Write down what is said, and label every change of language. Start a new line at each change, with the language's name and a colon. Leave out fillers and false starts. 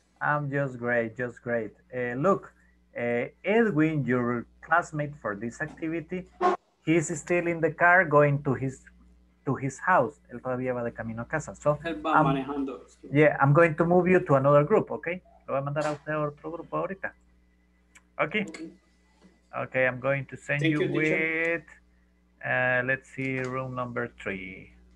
English: I'm just great, just great. Look, Edwin, your classmate for this activity, he's still in the car going to his... to his house.
Spanish: Él todavía va de camino a casa. So, él va manejando.
English: Yeah, I'm going to move you to another group, okay?
Spanish: Lo voy a mandar a usted a otro grupo ahorita.
English: Okay. Okay, okay, I'm going to send you, you with, let's see, room number 3.